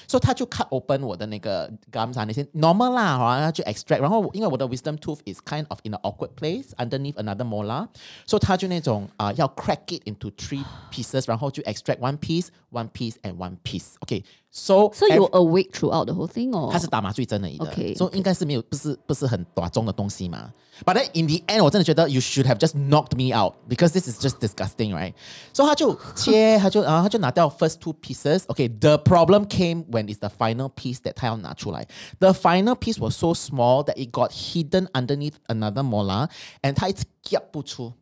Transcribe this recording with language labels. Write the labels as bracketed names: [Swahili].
[English] So [Chinese] 他就 [English] cut open [Chinese] 我的那个 [English] gums 啊那些 normal 啦，然后他就 extract， [Chinese] 然后因为我的 [English] wisdom tooth is kind of in an awkward place underneath another molar， so [Chinese] 他就那种 要 [English] crack it into 3 pieces， [Chinese] 然后就 [English] extract one piece， and one piece， okay， So you were awake throughout the whole thing, or [Chinese] 他是打麻醉针而已的。 [English] Okay, so okay. [Chinese] 应该是没有，不是很短中的东西嘛。 [English] But then in the end, [Chinese] 我真的觉得 [English] you should have just knocked me out because this is just disgusting, right? So [Chinese] 他就拿掉 [English] first two pieces. Okay, the problem came when it's the final piece that [Chinese] 他要拿出来. [English] The final piece was so small that it got hidden underneath another molar, and [Chinese] 他一直夹不出。